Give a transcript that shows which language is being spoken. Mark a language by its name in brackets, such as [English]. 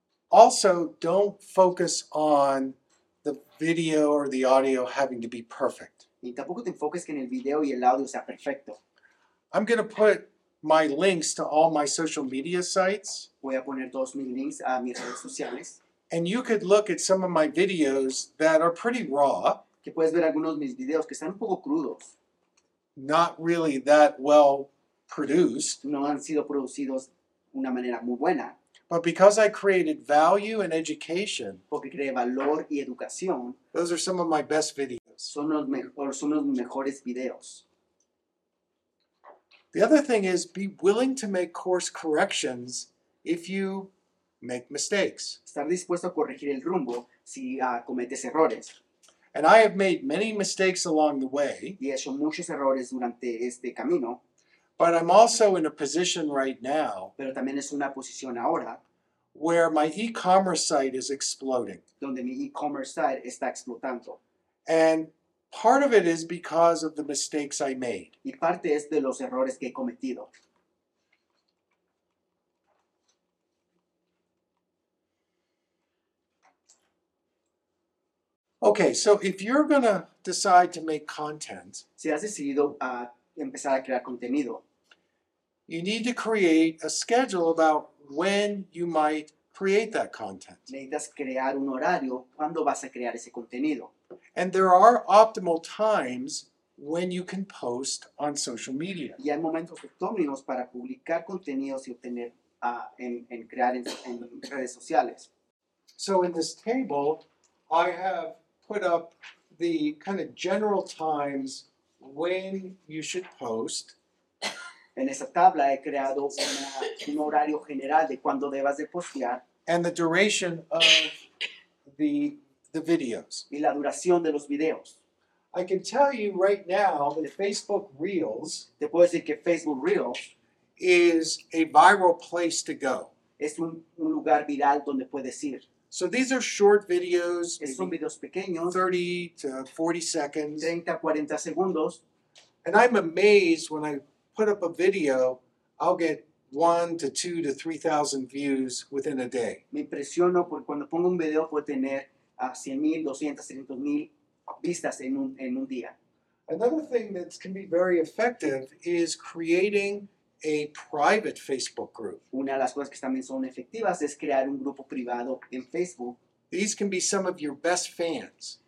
[English] Also, don't focus on the video or the audio having to be perfect. [Spanish] Y tampoco te enfoques que en el video y el audio sea perfecto. [English] I'm going to put my links to all my social media sites. [Spanish] Voy a poner todos mis links a mis redes sociales. [English] And you could look at some of my videos that are pretty raw. [Spanish] Que puedes ver algunos de mis videos que están un poco crudos. [English] Not really that well produced. [Spanish] No han sido producidos una manera muy buena. [English] But because I created value and education, [Spanish] porque creé valor y educación, [English] those are some of my best videos. [Spanish] Son los mejores videos. [English] The other thing is be willing to make course corrections if you make mistakes. [Spanish] Estar dispuesto a corregir el rumbo si cometes errores. [English] And I have made many mistakes along the way. [Spanish] Y he hecho muchos errores durante este camino. [English] But I'm also in a position right now. [Spanish] Pero también es una posición ahora. [English] where my e-commerce site is exploding. [Spanish] Donde mi e-commerce site está explotando. [English] And part of it is because of the mistakes I made. [Spanish] Y parte es de los errores que he cometido. [English] Okay, so if you're going to decide to make content, [Spanish] si has decidido empezar a crear contenido, [English] you need to create a schedule about when you might create that content. [Spanish] Necesitas crear un horario cuando vas a crear ese contenido. [English] And there are optimal times when you can post on social media. [Spanish] Y hay momentos óptimos para publicar contenidos y obtener en crear en redes sociales. [English] So in this table, I have put up the kind of general times when you should post. [Spanish] En esa tabla he creado un horario general de cuándo debas de postear. [English] And the duration of the videos. [Spanish] Y la duración de los videos. [English] I can tell you right now that Facebook Reels, [Spanish] te puedo decir que Facebook Reels [English] is a viral place to go. [Spanish] Es un lugar viral donde puedes ir. [English] So these are short videos, [Spanish] es son videos pequeños, [English] 30 to 40 seconds. [Spanish] 30 a 40 segundos. [English] And I'm amazed when I put up a video, I'll get 1,000 to 2,000 to 3,000 views within a day. [Spanish] Me impresiono porque cuando pongo un video puedo tener 100,000, 200,000, 300,000 vistas en un día. [English] Another thing that can be very effective is creating a private Facebook group. [Spanish] Una de las cosas que también son efectivas es crear un grupo privado en Facebook. [English] These can be some of your best fans.